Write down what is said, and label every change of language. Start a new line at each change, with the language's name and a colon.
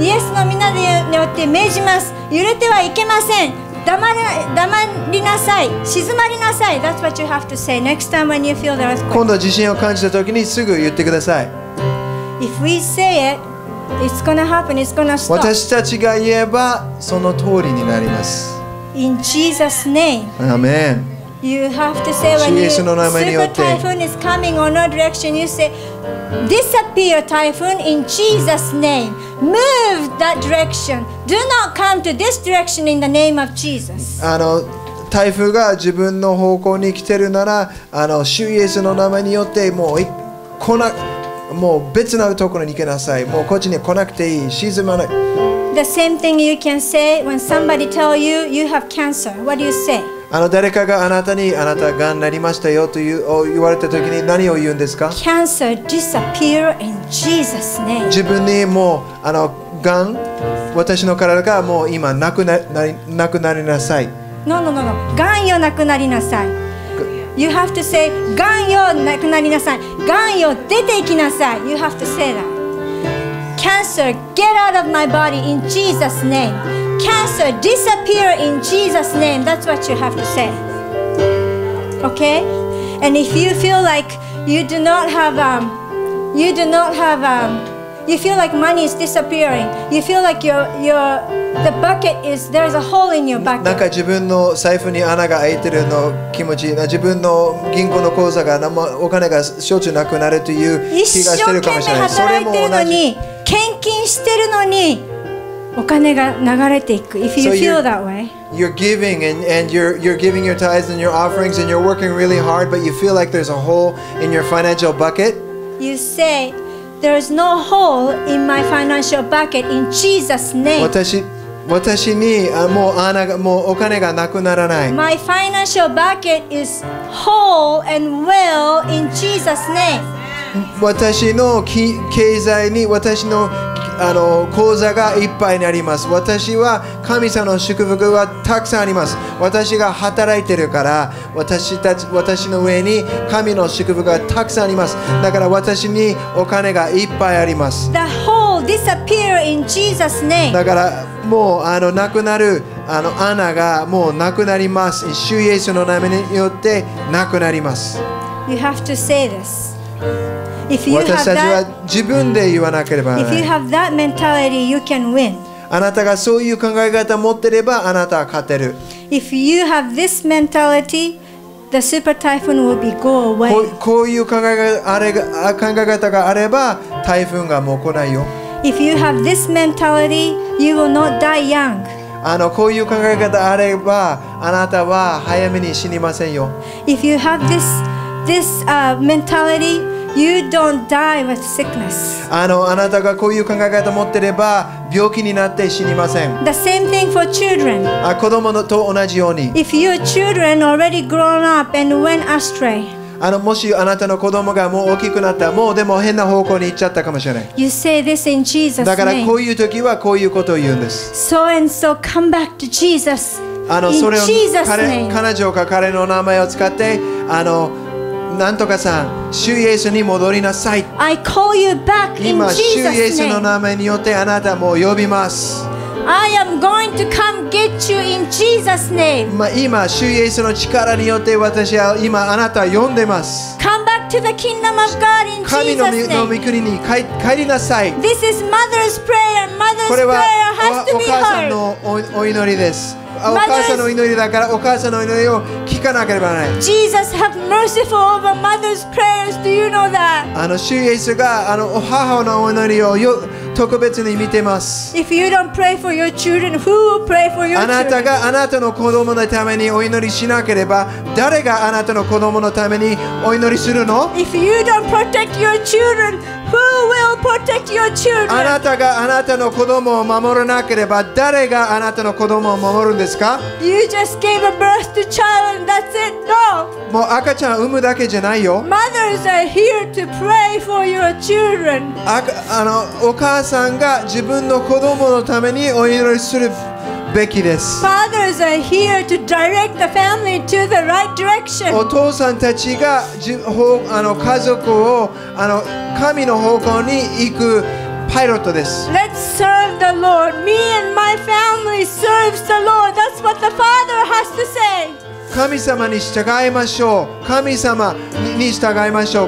Japanese: イエスの皆によって命じます。揺れてはいけません。黙りなさい。静まりなさい。
English: That's what you have to say next time when you feel the earthquake.
Japanese: 今度地震を感じた時にすぐ言ってください。
English: If we say it, it's gonna happen, it's gonna stop.
Japanese: 私たちが言えばその通りになります。
English: In Jesus' name. Amen. You have to say when you super typhoon is coming on our direction, you say, disappear typhoon in Jesus' name. Move that direction. Do not come to this direction in the name of Jesus.
Japanese: 台風が自分の方向に来てるなら、主イエスの名前によってもう来なく、もう別のところに行けなさい。もうこっちに来なくていい。沈まない。
English: The same thing you can say when somebody tell you you have cancer. What do you say? 誰かがあなたにあなたがんになりましたよと言われた時に何を言うんですか？ Cancer disappear in Jesus name.
Japanese: 自分にもうがん、私の体がもう今なくなりなさい。
English: No.
Japanese: がんよなくなりなさい。
English: You have to say
Japanese: がんよなくなりなさい。がんよ出ていきなさい。
English: You have to say that. Cancer get out of my body in Jesus name. Cancer disappear in Jesus' name. That's what you have to say. Okay? And if you feel like you do not have, you feel like money is disappearing. You feel like the bucket is, there's a hole in your bucket.
Japanese: なんか自分の財布に穴が開いてるの気持ち、自分の銀行の口座が何もお金がしょっちゅうなくなるという気がしてるかもしれない。一生懸命働いてるのに、献金してるのに。お金が流れていく。
English: If you feel that way, you're giving and you're giving your tithes and your offerings and you're working really hard, but you feel like there's a hole in your financial bucket. You say, "There's no hole in my financial bucket in Jesus' name."
Japanese: 私にもう穴がもうお金がなくならない。 My financial bucket is whole and well in Jesus' name. 私の経済に私の口座がいっぱいになります。私は神様の祝福はたくさんあります。私が働いてるから、私の上に神の祝福がたくさんあります。だから私にお金がいっぱいあります。
English: The hole disappear in Jesus name.
Japanese: だからもうなくなる穴がもうなくなります。主イエスの名前によってなくなります。
English: You have to say thisIf you
Japanese: 私たちは自分で言わなければならない。
English: If you have that mentality, you can win.
Japanese: あなたがそういう考え方を持っていればあなたは勝てる。
English: If you have this mentality, the super typhoon will be go away.
Japanese: こういう考え方があれば台風がもう来ないよ。
English: If you have this mentality, you will not die young.
Japanese: こういう考え方があればあなたは早めに死にませんよ。
English: If you have this mentality,You don't die with sickness.
Japanese: あなたがこういう考え方を持っていれば病気になって死にません。
English: The same thing for children.
Japanese: 子供のと同じように。
English: If your children already grown up and went astray.
Japanese: もしあなたの子供がもう大きくなった、もうでも変な方向に行っちゃったかもしれない。
English: You say this in Jesus' name.
Japanese: だからこういう時はこういうことを言うんです。
English: So and so come back to Jesus.
Japanese: それを彼女か彼の名前を使って、なんとかさん、主イエスに戻りなさい。
English: I call you back in Jesus' name.
Japanese: 今、主イエスの名前によってあなたも呼びます。
English: I am going to come get you in Jesus' name.
Japanese: 今、主イエスの力によって私は今あなたを呼んでます。
English: Come back to the kingdom of God in Jesus' name.
Japanese: 神の御国に帰りなさい。
English: This is mother's prayer. Mother's prayer has to be heard.
Japanese: これはお母さんのお祈りです。お母さんの祈りだから、お母さんの祈りを聞かなければならない。
English: Jesus have mercy for over mother's prayers. Do you know that?
Japanese: 主イエスが母のお祈りを特別に見てます。
English: If you don't pray for your children, who will pray for your children?
Japanese: あなたがあなたの子供のためにお祈りしなければ、誰があなたの子供のためにお祈りするの
English: ？If you don't protect your children, who will protect your children?
Japanese: あなたがあなたの子供を守らなければ、誰があなたの子供を守るんですか
English: ？You just gave a birth to child, and that's it. No.
Japanese: もう赤ちゃん産むだけじゃないよ。
English: Mothers are here to pray for your children.
Japanese: お母さんが自分の子供のためにお祈りするべきです。
English: Fathers are here to direct the family to the right direction.
Japanese: お父さんたちが家族を神の方向に行くパイロットです。
English: Let's serve the Lord. Me and my family serves the Lord. That's what the father has to say.
Japanese: 神様に従いましょう。神様に従いましょう。